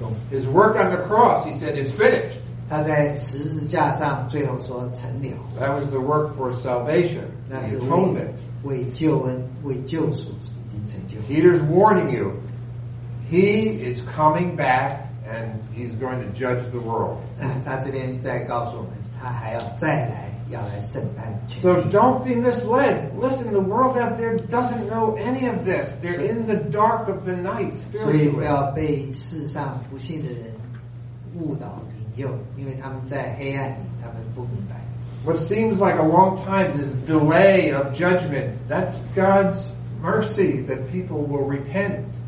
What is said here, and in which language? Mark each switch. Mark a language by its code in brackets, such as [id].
[en] His work on the cross, he said, is finished. [zh] 他在十字架上最后说成了 [en] That was the work for salvation, the atonement. [zh] 为救恩，为救赎已经成就。 [en] Peter's warning you. He is coming back, and he's going to judge the world. [zh] 他这边在告诉我们，他还要再来，要来审判全地。 [en] So don't be misled. Listen, the world out there doesn't know any of this. They're in the dark of the night spiritually. [zh] 所以要被世上不信的人误导。因为他们在黑暗里，他们不明白。 [en] What seems like a long time, this delay of judgment, that's God's mercy that people will repent.